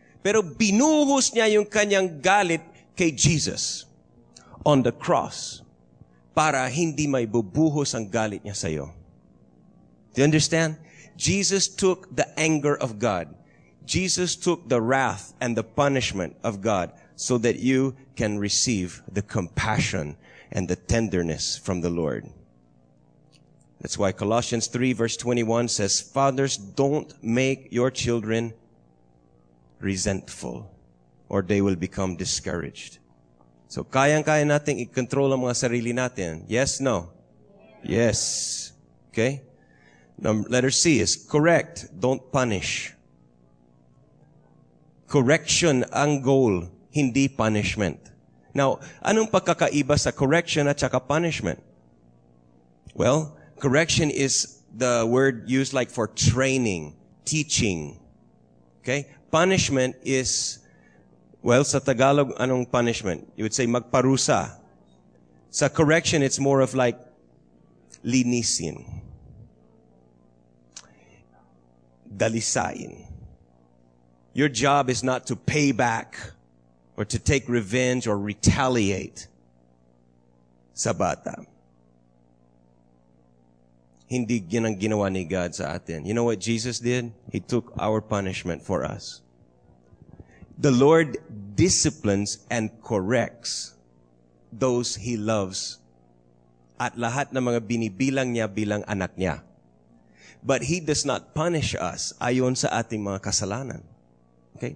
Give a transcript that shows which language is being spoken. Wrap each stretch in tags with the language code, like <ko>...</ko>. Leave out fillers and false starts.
<tl>Pero binuhos niya yung kanyang galit kay Jesus</tl> <en>on the cross</en> <tl>para hindi may bubuhos ang galit niya sa iyo.</tl> <en>Do you understand? Jesus took the anger of God. Jesus took the wrath and the punishment of God so that you can receive the compassion and the tenderness from the Lord. That's why Colossians 3 verse 21 says, fathers, don't make your children resentful or they will become discouraged.</en> <tl>So, kayang-kaya natin i-control ang mga sarili natin.</tl> <en>Yes, no? Yes. Okay? Letter C is correct, don't punish.</en> <tl>Correction ang goal, hindi punishment. Now, anong pagkakaiba sa correction at saka punishment?</tl> <en>Well, correction is the word used like for training, teaching. Okay? Punishment is, well,</en> <tl>sa Tagalog, anong</tl> <en>punishment? You would say magparusa. Sa correction, it's more of like linisin. Dalisain. Your job is not to pay back or to take revenge or retaliate</en> <tl>sa bata. Hindi yun ang ginawa ni God sa atin.</tl> <en>You know what Jesus did? He took our punishment for us. The Lord disciplines and corrects those He loves</en> <tl>at lahat ng mga binibilang niya bilang anak niya.</tl> <en>But He does not punish us</en> <tl>ayon sa ating mga kasalanan.</tl> <en>Okay?</en>